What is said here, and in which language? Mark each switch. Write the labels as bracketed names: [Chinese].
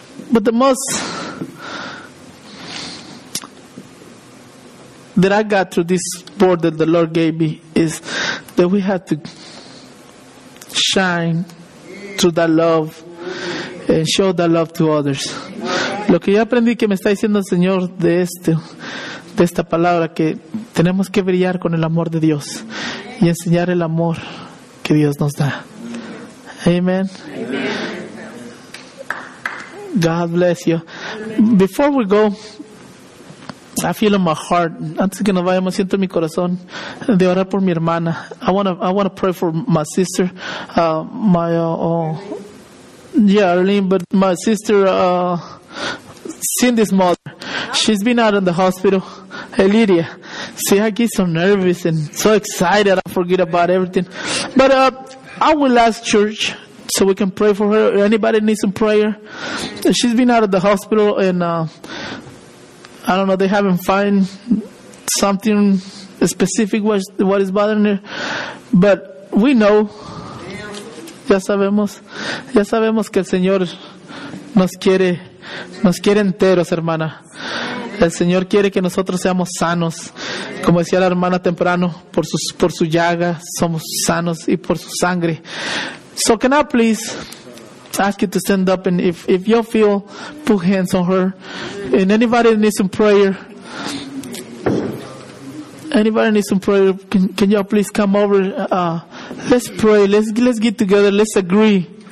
[English] But the most that I got through this word that the Lord gave me is that we have to shine through that love and show that love to others. [Spanish] Lo que yo aprendí que me está diciendo el Señor de esta palabra, que tenemos que brillar con el amor de Dios y enseñar el amor que Dios nos da. [English] Amen. God bless you. Before we go, I feel in my heart, [Spanish] antes que nos vayamos, siento en mi corazón de orar por mi hermana. [English] I want to pray for my sister, Arlene, but my sister, Cindy's mother. She's been out in the hospital. Hey, Lydia, see, I get so nervous and so excited, I forget about everything. But I will ask church so we can pray for her. Anybody needs some prayer? She's been out of the hospital and I don't know, they haven't found something specific what is bothering her. But we know. [Spanish] Ya sabemos que el Señor nos quiere enteros, hermana. El Señor quiere que nosotros seamos sanos. Como decía la hermana temprano, por su llaga somos sanos y por su sangre. [English] So can I please ask you to stand up, and if you feel, put hands on her. And anybody needs some prayer, can y'all please come over? Let's pray. Let's get together. Let's agree.